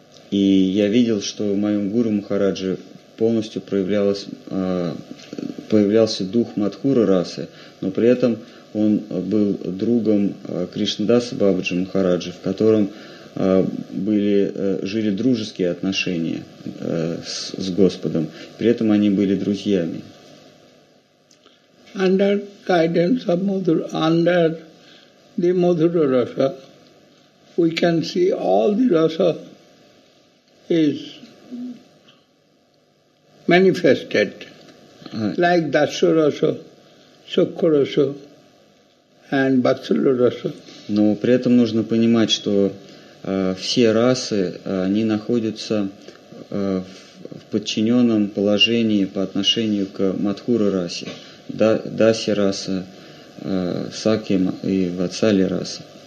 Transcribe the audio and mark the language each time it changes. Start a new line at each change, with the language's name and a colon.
Russian: И я видел, что в моем гуру Махараджи полностью появлялся дух Мадхура расы, но при этом он был другом Кришнадаса Бабаджи Махараджи, в котором жили дружеские отношения с Господом. При этом они были друзьями.
English: Under guidance of Madhura, under the Madhura Rasa, we can see all the Rasa is manifested, like Dasya Rasa, Sukha Rasa, and Vatsala Rasa.
Russian: Но при этом нужно понимать, что все расы, они находятся в подчиненном положении по отношению к Мадхура расе. Даси раса, Саки и Ватсали раса.